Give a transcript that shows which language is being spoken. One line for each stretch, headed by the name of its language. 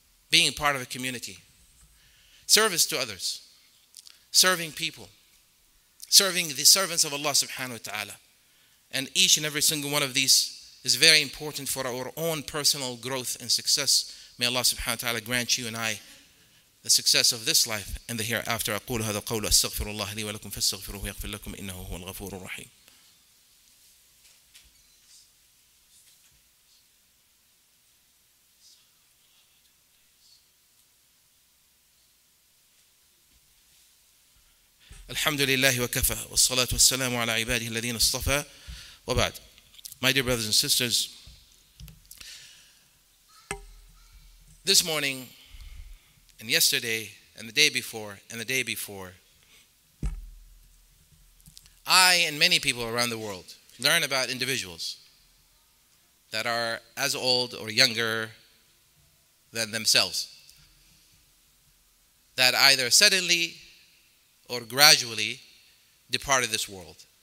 English: Being part of a community. Service to others. Serving people. Serving the servants of Allah subhanahu wa ta'ala. And each and every single one of these is very important for our own personal growth and success. May Allah subhanahu wa ta'ala grant you and I the success of this life and the hereafter.
Arabic: أقول هذا قول أستغفر الله لي ولكم فاستغفروه يغفر لكم إنه هو الغفور الرحيم. الحمد لله وكفى والصلاة والسلام على عباده الذين اصطفى وبعد.
English: My dear brothers and sisters, this morning and yesterday and the day before and the day before, I and many people around the world learn about individuals that are as old or younger than themselves, that either suddenly or gradually departed this world.